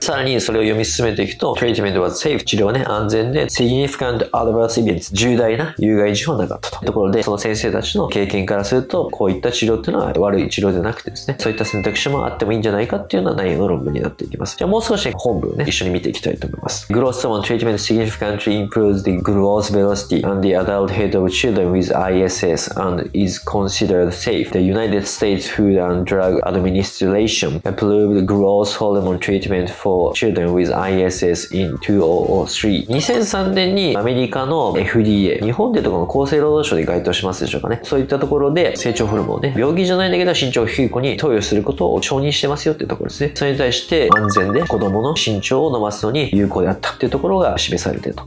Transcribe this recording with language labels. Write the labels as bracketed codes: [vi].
[ja] さらにそれを読み進めていくと、 [en] Treatment was safe、 [ja] 治療はね安全で、 [en] Significant adverse events、 [ja] 重大な有害事故なかったというところで、その先生たちの経験からすると、こういった治療っていうのは悪い治療じゃなくてですね、そういった選択肢もあってもいいんじゃないかっていうような内容の論文になっていきます。じゃあもう少し本文ね一緒に見ていきたいと思います。 [en] Growth hormone treatment significantly improves the growth velocity and the adult head of children with ISS and is considered safe. The United States Food and Drug Administration administration approved growth hormone treatment for children with ISS in 2003。 [ja] 2003年にアメリカの FDA、 日本でとかの厚生労働省で該当しますでしょうかね、そういったところで成長ホルモンをね、病気じゃないんだけど身長低い子に投与することを承認してますよっていうところですね。それに対して安全で子供の身長を伸ばすのに有効であったっていうところが示されてると。